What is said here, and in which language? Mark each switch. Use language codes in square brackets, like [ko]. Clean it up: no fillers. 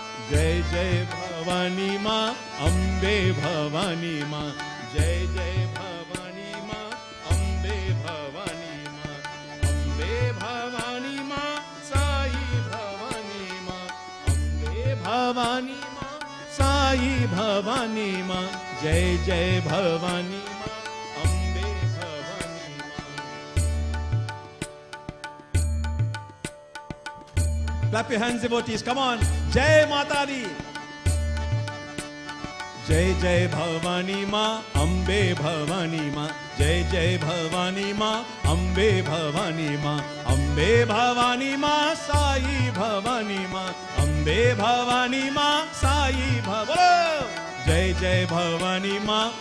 [hi] जय जय भवानी माँ अम्बे भवानी माँ, जय जय भवानी माँ अम्बे भवानी माँ, अम्बे भवानी माँ साई भवानी माँ, अम्बे भवानी माँ साई भवानी माँ, जय जय भवानी माँ अम्बे भवानी माँ। [en] Clap your hands devotees, come on, [hi] जय माता दी, जय जय भवानी माँ अम्बे भवानी माँ, जय जय भवानी माँ अम्बे भवानी माँ, अम्बे भवानी माँ साई भवानी माँ, अम्बे भवानी माँ साई भवानी, जय जय भवानी माँ